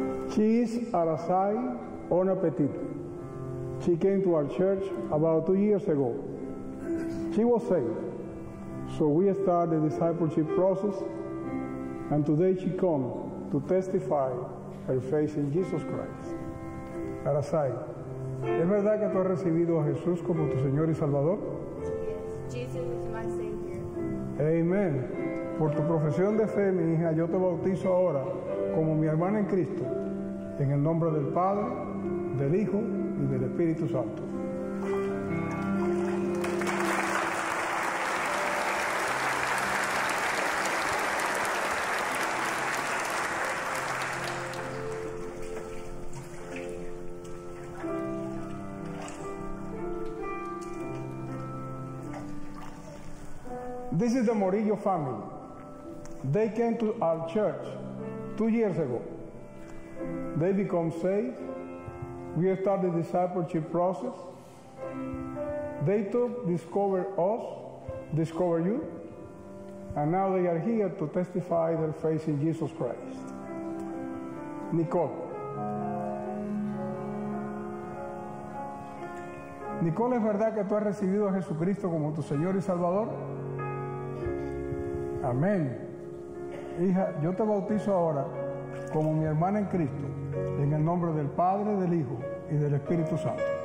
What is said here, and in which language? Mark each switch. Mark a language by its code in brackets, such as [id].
[en] Cheese à la side, bon appétit. She came to our church about 2 years ago. She was saved, so we started the discipleship process, and today she comes to testify her faith in Jesus Christ. [es] Arasai, ¿es verdad que tú has recibido a Jesús como tu Señor y Salvador? [en] Jesus is my Savior. Amen. [es] Por tu profesión de fe, mi hija, yo te bautizo ahora como mi hermana en Cristo, en el nombre del Padre, del Hijo y del Espíritu Santo. [en] This is the Morillo family. They came to our church 2 years ago. They become saved. We started the discipleship process. They took discover us, discover you, and now they are here to testify their faith in Jesus Christ. [es] Nicole, ¿es verdad que tú has recibido a Jesucristo como tu Señor y Salvador? Amén. Hija, yo te bautizo ahora como mi hermana en Cristo, en el nombre del Padre, del Hijo y del Espíritu Santo.